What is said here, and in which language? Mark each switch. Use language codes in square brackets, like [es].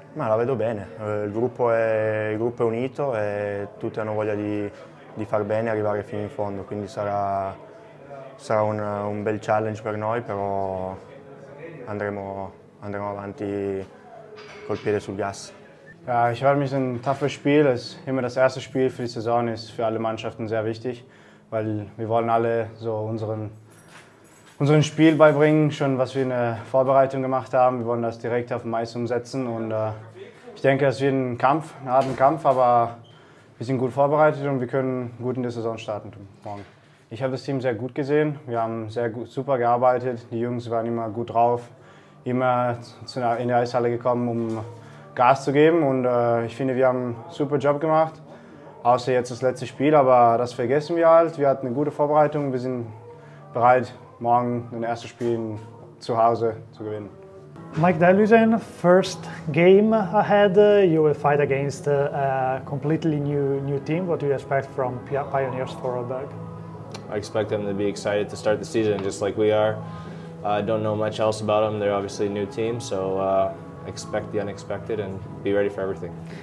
[it] Ma la vedo bene, il gruppo è unito e tutti hanno voglia di far bene e arrivare fino in fondo, quindi sarà un bel challenge per noi, però andremo avanti col piede sul gas. [de] Ja, ich freue mich, ein toughes Spiel. Es ist immer das erste Spiel für die Saison, ist für alle Mannschaften sehr wichtig, weil wir wollen alle so unseren Spiel beibringen, schon was wir in der Vorbereitung gemacht haben. Wir wollen das direkt auf dem Eis umsetzen und ich denke, es wird ein Kampf, eine Art Kampf, aber wir sind gut vorbereitet und wir können gut in die Saison starten morgen. Ich habe das Team sehr gut gesehen, wir haben sehr gut, super gearbeitet, die Jungs waren immer gut drauf, immer in die Eishalle gekommen, um Gas zu geben und ich finde, wir haben einen super Job gemacht, außer jetzt das letzte Spiel, aber das vergessen wir halt. Wir hatten eine gute Vorbereitung, wir sind bereit, morgen den ersten Spiel zu Hause zu gewinnen. [en] Mike Delusen, first game ahead, you will fight against a completely new team. What do you expect from Pioneers Vorarlberg? I expect them to be excited to start the season just like we are. I don't know much else about them. They're obviously a new team, so expect the unexpected and be ready for everything.